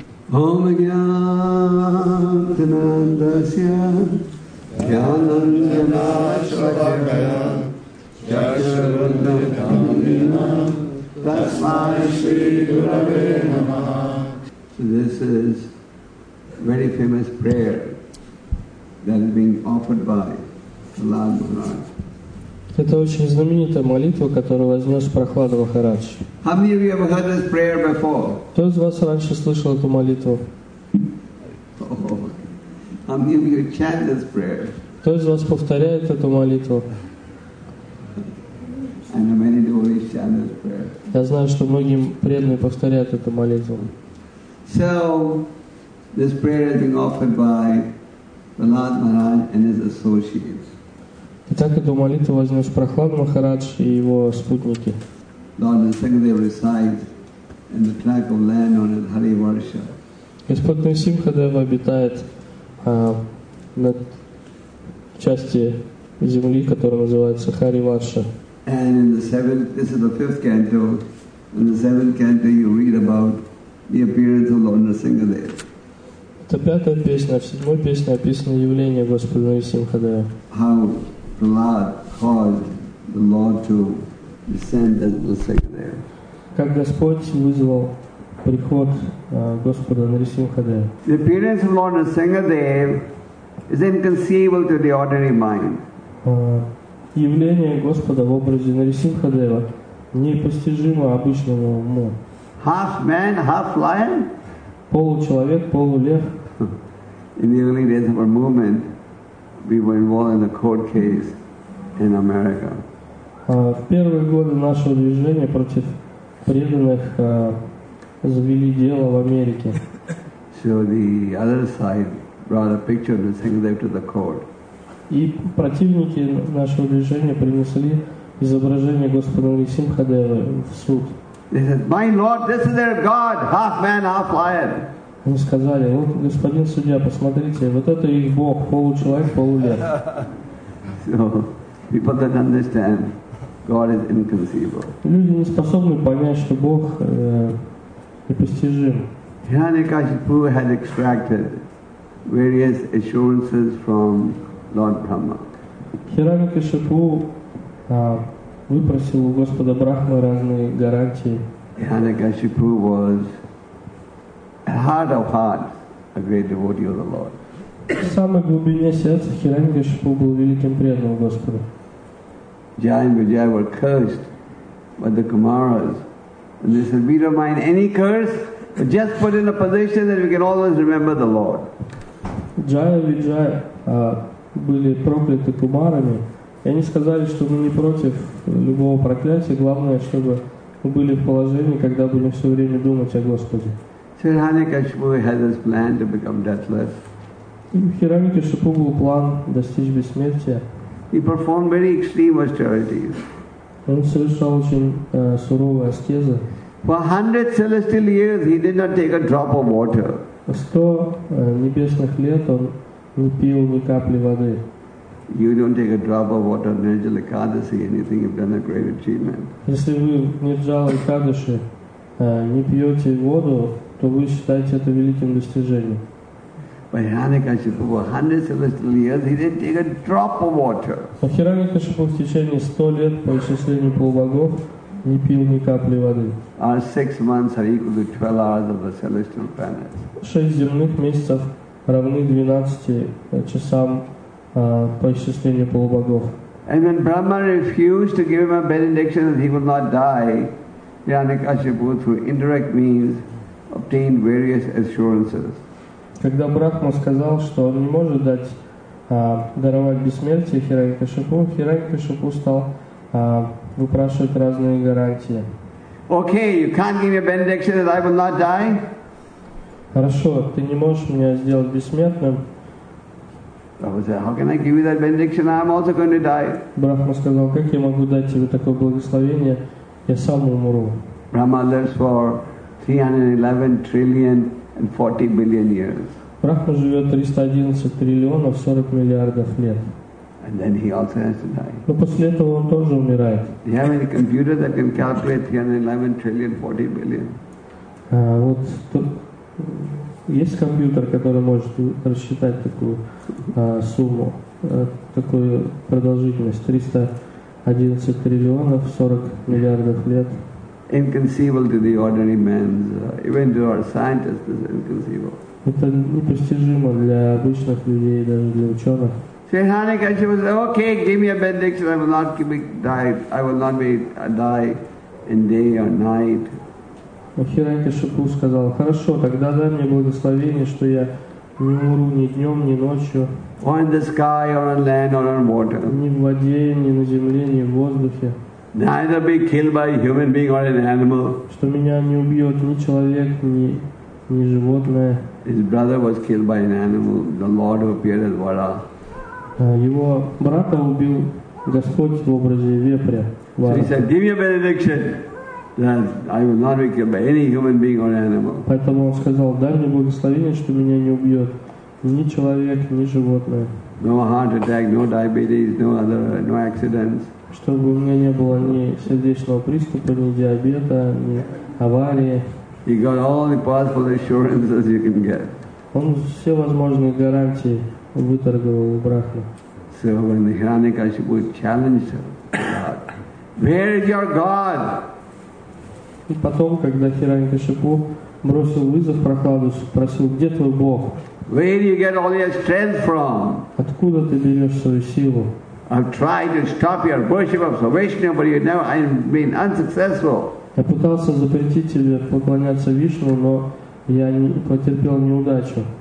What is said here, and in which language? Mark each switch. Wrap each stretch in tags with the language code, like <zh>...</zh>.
<sa>Ом Гьянтинандасья Гьянанджанашвакья Чакшарвандхамвина Тасмай Шри Гураве Нама.</sa> <en>This is very famous prayer that is being offered by Prahlad Maharaj.</en> <ru>Это очень знаменитая молитва, которую вознес Прохлада Махарадж.</ru> <en>How many of you have heard this prayer before?</en> <ru>Кто из вас раньше слышал эту молитву?</ru> <en>Oh, how many of you chant this prayer?</en> <ru>Кто из вас повторяет эту молитву?</ru> <en>And many devotees chant this prayer.</en> <ru>Я знаю, что многие преданные повторяют эту молитву.</ru> <en>So, this prayer is being offered by Prahlad Maharaj and his associates.</en> <ru>Итак, эту молитву вознес Прохлада Махарадж и его спутники.</ru> <en>Lord Nrisimhadev resides in the tract of land on his Hari Varsha.</en> <ru>Господь Нрисимхадев обитает на части земли, которая называется Хари Варша.</ru> <en>And in the seventh, this is the fifth canto. In the seventh canto, you read about the appearance of Lord Nrisimhadev.</en> <ru>Это пятая песня, в седьмой песне описано явление Господа Нрисимхадева.</ru> <en>How Prahlad caused the Lord to descend as Nrisimhadev.</en> <ru>Как Господь вызвал приход Господа Нрисимхадева.</ru> <en>The appearance of Lord Nrisimhadev is inconceivable to the ordinary mind.</en> <ru>Явление Господа в образе Нрисимхадева непостижимо обычному уму.</ru> <en>Half man, half lion?</en> <ru>Получеловек, полулев.</ru> <en>In the early days of our movement, we were involved in a court case in America.</en> <ru>В первые годы нашего движения против преданных завели дело в Америке.</ru> <en>So the other side brought a picture of Nrisimhadev to the court.</en> <ru>И противники нашего движения принесли изображение Господа Нрисимхадева в суд.</ru> <en>They said, "My Lord, this is their God, half man, half lion."</en> <ru>Они сказали, вот господин судья, посмотрите, вот это их Бог, получеловек, полулев.</ru> <en>So, people don't understand, God is inconceivable.</en> <ru>Люди не способны понять, что Бог непостижим.</ru> <en>Hiranyakashipu had extracted various assurances from Lord Brahma.</en> <ru>Hiranyakashipu выпросил у Господа Брахмы разные гарантии.</ru> <en>Hiranyakashipu was heart of hearts, a great devotee of the Lord.</en> <ru>В самой глубине сердца Хиранягашипу был великим преданным Господу.</ru> <en>Jaya and Vijaya were cursed by the Kumaras. And they said, we don't mind any curse, but just put in a position that we can always remember the Lord.</en> <ru>Jaya and Vijaya были прокляты Кумарами. И они сказали, что мы не против любого проклятия, главное, чтобы мы были в положении, когда будем все время думать о Господе.</ru> <en>Hiranyakashipu had this plan to become deathless.</en> <ru>Hiranyakashipu был план достичь бессмертия.</ru> <en>He performed very extreme austerities.</en> <ru>Он совершал очень суровые аскезы.</ru> <en>For 100 celestial years he did not take a drop of water.</en> <ru>100 небесных лет он не пил ни капли воды.</ru> <en>You don't take a drop of water in Nirjala Ekadasi and you think you've done a great achievement.</en> <ru>Если вы в Нирджала Экадаши не пьете воду, то вы считаете это великим достижением.</ru> <en>But Hiranyakashipu, for 100 celestial years, he didn't take a drop of water.</en> <ru>Но Хиранягашипу в течение 100 лет по исчислению полубогов не пил ни капли воды.</ru> <en>Our 6 months are equal to 12 hours of the celestial planets.</en> <ru>6 земных месяцев равны 12 часам по исчислению полубогов.</ru> <en>And when Brahma refused to give him a benediction that he would not die, Hiranyakashipu, through indirect means, obtained various assurances.</en> <ru>Когда Брахма сказал, что он не может даровать бессмертие Хиранягашипу, Хиранягашипу стал выпрашивать разные гарантии.</ru> <en>Okay, you can't give me a benediction that I will not die.</en> <ru>Хорошо, ты не можешь меня сделать бессмертным.</ru> <en>How can I give you that benediction? I'm also going to die.</en> <ru>Брахма сказал, как я могу дать тебе такое благословение? Я сам умру.</ru> <en>Brahma lives for 311 trillion. And 40 billion years.</en> <ru>Брахма живет 311 триллионов 40 миллиардов лет.</ru> <en>And then he also has to die.</en> <ru>Но после этого он тоже умирает.</ru> <en>Do you have any computer that can calculate 311 trillion 40 billion?</en> <ru>Вот есть компьютер, который может рассчитать такую сумму, такую продолжительность 311 триллионов 40 миллиардов лет.</ru> <en>Inconceivable to the ordinary man, even to our scientists, is inconceivable.</en> <ru>Это непостижимо для обычных людей, даже для ученых.</ru> <en>Hiranyakashipu said, "Okay, give me a benediction. I will not die. I will not be die in day or night."</en> <ru>Hiranyakashipu сказал, "Хорошо, тогда дай мне благословение, что я не умру ни днем, ни ночью."</ru> <en>Or in the sky, or on land, or on water.</en> <ru>Ни в воде, ни на земле, ни в воздухе.</ru> <en>Neither be killed by a human being or an animal.</en> <ru>Что меня не убьет ни человек, ни животное.</ru> <en>His brother was killed by an animal. The Lord appeared as Vara.</en> <ru>Его брата убил Господь в образе вепря.</ru> <en>So he said, "Give me a benediction that I will not be killed by any human being or animal."</en> <ru>Поэтому он сказал, дай мне благословение, что меня не убьет ни человек, ни животное.</ru> <en>No heart attack, no diabetes, no accidents.</en> <ru>Чтобы у меня не было ни сердечного приступа, ни диабета, ни аварии.</ru> <en>You got all the possible assurances you can get.</en> <ru>Он все возможные гарантии выторговал у Брахмы.</ru> <en>So when Hiranyakashipu challenged God, "Where is your God?"</en> <ru>И потом, когда Хиранягашипу бросил вызов Прохладу, спросил, где твой Бог?</ru> <en>Where do you get all your strength from?</en> <ru>Откуда ты берешь свою силу?</ru> <en>I've tried to stop your worship of Vishnu, but I've been unsuccessful.</en> <ru>Я пытался запретить тебе поклоняться Вишну, но я потерпел неудачу.</ru>